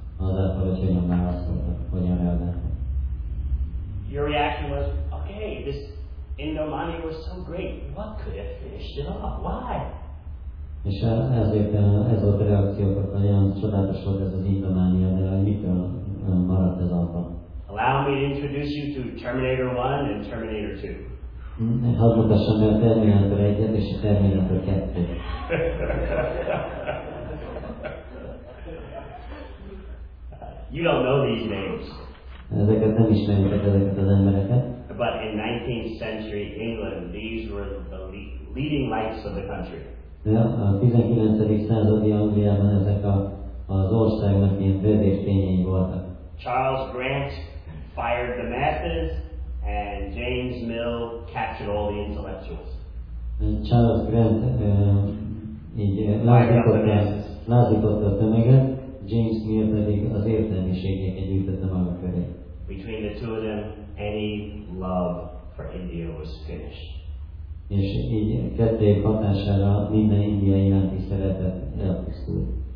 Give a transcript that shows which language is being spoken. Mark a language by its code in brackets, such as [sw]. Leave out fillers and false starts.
[en] Your reaction was, okay, this Indomani was so great. What could have finished it off? Why? [hu] És ezért ez volt a reakció, hogy nagyon csodálatos volt ez az Indománia, de mitől maradt ez abba? [en] Allow me to introduce you to Terminator 1 and Terminator 2. [hu] Hadd mutassam el Terminator 1-et és a Terminator 2-t. [en] You don't know these names. [hu] Ezeket nem ismeritek, ezeket az embereket. [en] But in 19th century England, these were the leading lights of the country. [hu] A 19. századi Angliában ezek az országnak ilyen vezérfényei voltak. [en] Charles Grant fired the masses, and James Mill captured all the intellectuals. [hu] Charles Grant lázította a tömeget, James Mill pedig az értelmiségeket gyűjtötte maga köré. [en] Between the two of them, any love for India was finished. [hu] És így kettőjük hatására minden indiai iránti szeretet elpusztult.